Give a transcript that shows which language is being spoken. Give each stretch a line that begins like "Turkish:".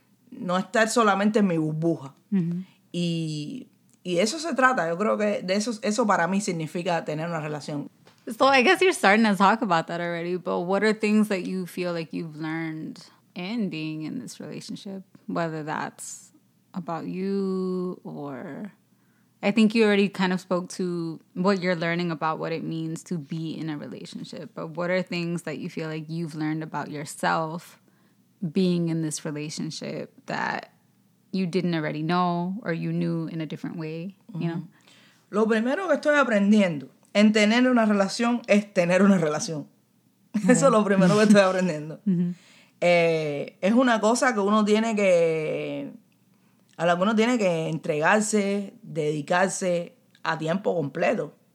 Spanish: No estar solamente en mi burbuja. Uh-huh. Y eso se trata. Yo creo que de eso para mí significa tener una relación.
English: So I guess you're starting to talk about that already, but what are things that you feel like you've learned in being in this relationship? Whether that's about you or... I think you already kind of spoke to what you're learning about what it means to be in a relationship. But what are things that you feel like you've learned about yourself being in this relationship that you didn't already know or you knew in a different way, you know?
Spanish: Lo primero que estoy aprendiendo en tener una relación es tener una relación. Yeah. Eso es lo primero que estoy aprendiendo. Mm-hmm. Es una cosa que uno tiene que... A la que uno tiene que entregarse, dedicarse a tiempo completo.